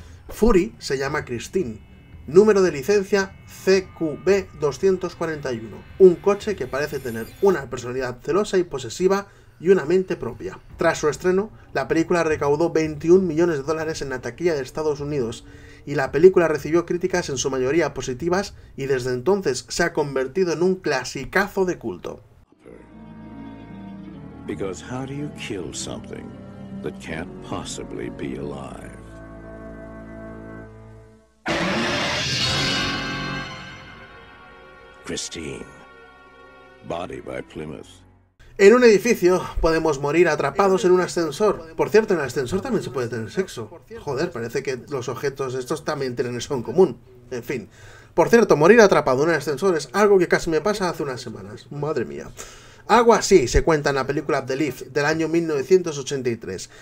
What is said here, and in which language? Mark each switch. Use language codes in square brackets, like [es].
[es] Fury se llama Christine, número de licencia CQB241, un coche que parece tener una personalidad celosa y posesiva y una mente propia. Tras su estreno, la película recaudó 21 millones de dólares en la taquilla de Estados Unidos y la película recibió críticas en su mayoría positivas y desde entonces se ha convertido en un clasicazo de culto. [en] Because how do you kill something that can't possibly be alive? Christine, body by Plymouth. [es] En un edificio podemos morir atrapados en un ascensor. Por cierto, en el ascensor también se puede tener sexo. Joder, parece que los objetos estos también tienen eso en común. En fin. Por cierto, morir atrapado en un ascensor es algo que casi me pasa hace unas semanas. Madre mía. Algo así se cuenta en la película The Lift del año 1983.